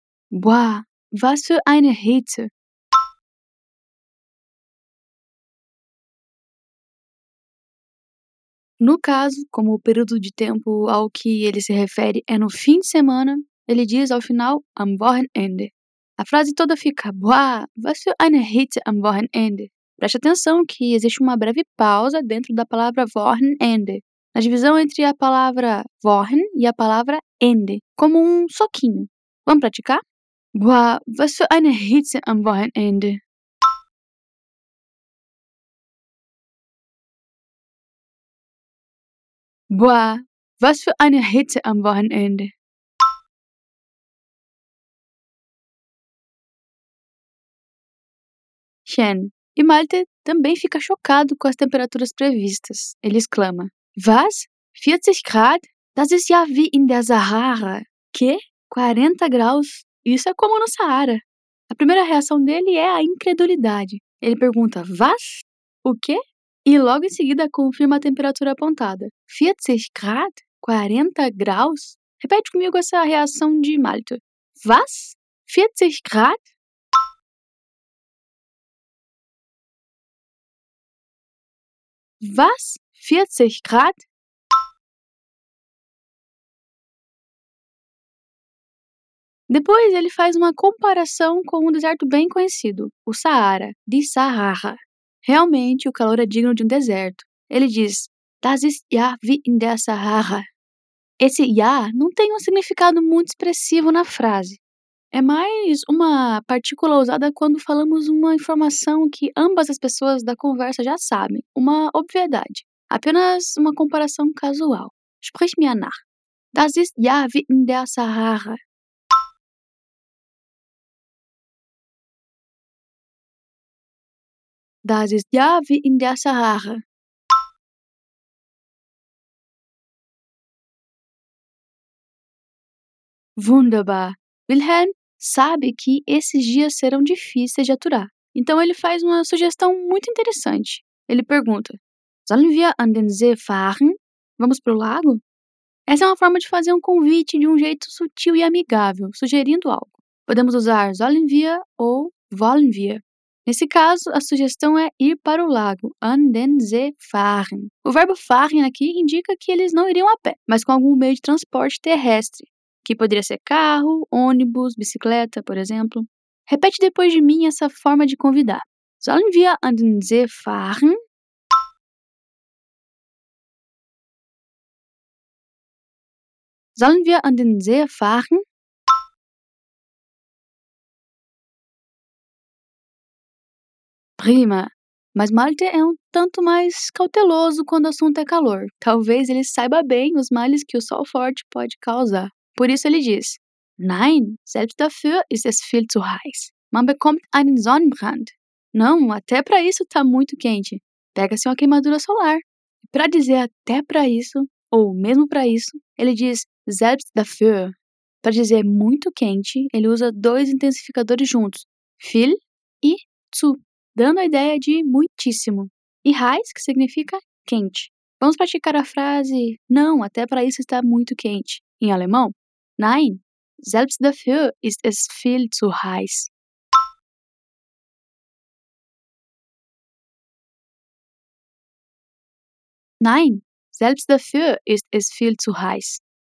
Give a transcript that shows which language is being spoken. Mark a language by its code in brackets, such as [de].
[de] Boah, was für eine Hitze. [pt] No caso, como o período de tempo ao que ele se refere é no fim de semana, ele diz ao final [de] am Wochenende. A frase toda fica Boah, was für eine Hitze am Wochenende. [pt] Preste atenção que existe uma breve pausa dentro da palavra Wochenende, na divisão entre a palavra Wochen e a palavra Ende, como um soquinho. Vamos praticar? [de] Boah, was für eine Hitze am Wochenende. Boah, was für eine Hitze am Wochenende. Schön. [pt] E Malte também fica chocado com as temperaturas previstas. Ele exclama, [de] Was? 40 Grad? Das ist ja wie in der Sahara. [pt] Que? 40 graus? Isso é como no Saara. A primeira reação dele é a incredulidade. Ele pergunta, was? O quê? E logo em seguida confirma a temperatura apontada. [de] 40 Grad? [pt] 40 graus? Repete comigo essa reação de Malte. [de] Was? 40 Grad? Was? 40 Grad? [pt] Depois ele faz uma comparação com um deserto bem conhecido, o Saara, de Sahara. Realmente, o calor é digno de um deserto. [de] Ele diz, Das ist ja wie in der Sahara. [pt] Esse ja não tem um significado muito expressivo na frase. É mais uma partícula usada quando falamos uma informação que ambas as pessoas da conversa já sabem. Uma obviedade. Apenas uma comparação casual. [de] Sprich mir nach. Das ist ja wie in der Sahara. Das ist ja wie in der Sahara. Wunderbar. [pt] Wilhelm sabe que esses dias serão difíceis de aturar. Então ele faz uma sugestão muito interessante. Ele pergunta: [de] Sollen wir an den See fahren? [pt] Vamos para o lago? Essa é uma forma de fazer um convite de um jeito sutil e amigável, sugerindo algo. Podemos usar [de] Sollen wir [pt] ou [de] Wollen wir. [pt] Nesse caso, a sugestão é ir para o lago, [de] an den See fahren. [pt] O verbo fahren aqui indica que eles não iriam a pé, mas com algum meio de transporte terrestre, que poderia ser carro, ônibus, bicicleta, por exemplo. Repete depois de mim essa forma de convidar. [de] Sollen wir an den See fahren? Sollen wir an den See fahren? Prima! [pt] Mas Malte é um tanto mais cauteloso quando o assunto é calor. Talvez ele saiba bem os males que o sol forte pode causar. [de] Por isso ele diz, Nein, selbst dafür ist es viel zu heiß. Man bekommt einen Sonnenbrand. [pt] Não, até para isso está muito quente. Pega-se uma queimadura solar. Para dizer até para isso, ou mesmo para isso, ele diz [de] selbst dafür. [pt] Para dizer muito quente, ele usa dois intensificadores juntos, viel e zu, dando a ideia de muitíssimo. E heiß, que significa quente. Vamos praticar a frase, não, até para isso está muito quente. [de] Em alemão, Nein, selbst dafür ist es viel zu heiß. Nein, selbst dafür ist es viel zu heiß.